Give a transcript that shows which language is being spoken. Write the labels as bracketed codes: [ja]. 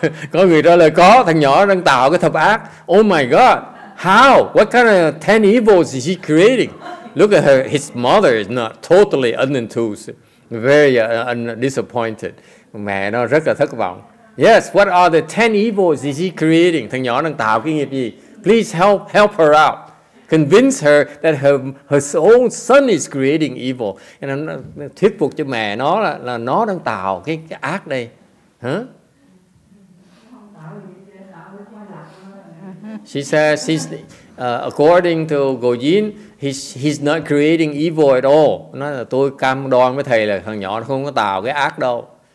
[vi] Có người trả lời có, thằng nhỏ đang tạo cái thập ác. [en] Oh my God, how? What kind of 10 evils is he creating? Look at her, his mother is not totally unenthused. Very disappointed. [vi] Mẹ nó rất là thất vọng. [en] Yes, what are the 10 evils is he creating? [vi] Thằng nhỏ đang tạo cái nghiệp gì? [en] Please help her out. Convince her that her own son is creating evil. [vi] And thuyết phục cho mẹ nó là nó đang tạo cái ác đây. [en] She says, according to Gojin, he's not creating evil at all. [vi] Nó là tôi cam đoan với thầy là thằng nhỏ không có tạo cái ác đâu.